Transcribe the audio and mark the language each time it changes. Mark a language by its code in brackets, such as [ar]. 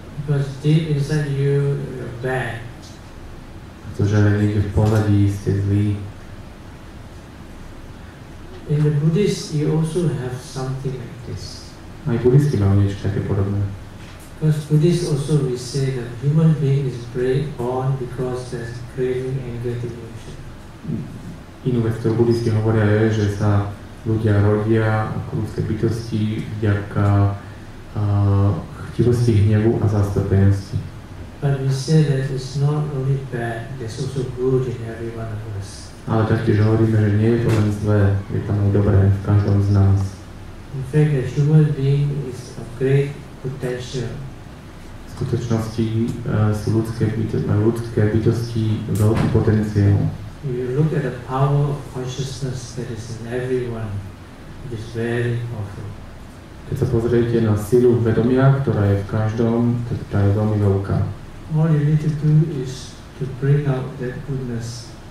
[en] Because deep inside you, you're bad. [sk] Pretože niekde v pozadí ste zlí. [en] In the Buddhist you also have something like this. [sk] Aj buddhisti majú niečo také podobné. [en] Because Buddhist also we say that human being is born because there's craving, anger, delusion. [sk] Inú vec, ktorú buddhisti hovoria je, že sa ľudia rodia ako ľudské bytosti vďaka chtivosti, hnevu a zastrpenosti. [en] But we say that it's not only bad, there's also good in every one of us. [sk] Ale taktiež hovoríme, že nie je to len zlé, je tam aj dobré v každom z nás. [en] In fact, a human being is of great potential. [sk] V skutočnosti sú ľudské bytosti veľký potenciál. [en] If you look at the power of consciousness that is in everyone, it is very powerful. [sk] Keď sa pozriete na silu vedomia, ktorá je v každom, tak tá je veľmi veľká. [en] All you need to do is to bring out that goodness.